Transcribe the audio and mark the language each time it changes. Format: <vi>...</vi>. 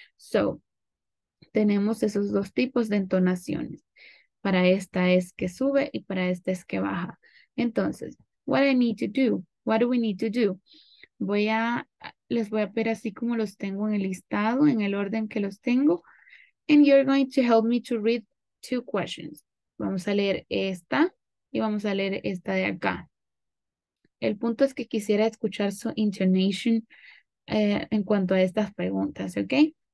<es>So, tenemos esos dos tipos de entonaciones. Para esta es que sube y para esta es que baja. Entonces,</es> <en>what I need to do?</en> <es>What do we need to do? Les voy a pedir así como los tengo en el listado, en el orden que los tengo.</es> <en>And you're going to help me to read two questions.</en> <es>Vamos a leer esta y vamos a leer esta de acá. El punto es que quisiera escuchar su intonation en cuanto a estas preguntas, ¿ok?</es>